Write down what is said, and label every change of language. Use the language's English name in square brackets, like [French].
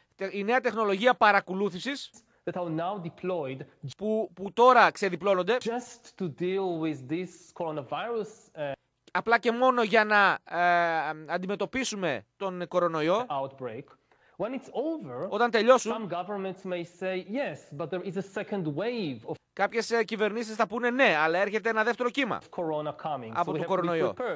[Greek] Η νέα τεχνολογία παρακολούθησης [English] that are now deployed, [Greek] που τώρα ξεδιπλώνονται [English] just to deal with this coronavirus, [Greek] απλά και μόνο για να αντιμετωπίσουμε τον κορονοϊό, [English] outbreak. When it's over, [Greek] όταν τελειώσουν, [English] some governments may say, yes, but there is a second wave of... [Greek] Κάποιες κυβερνήσεις θα πούνε ναι, αλλά έρχεται ένα δεύτερο κύμα από τον κορονοϊό.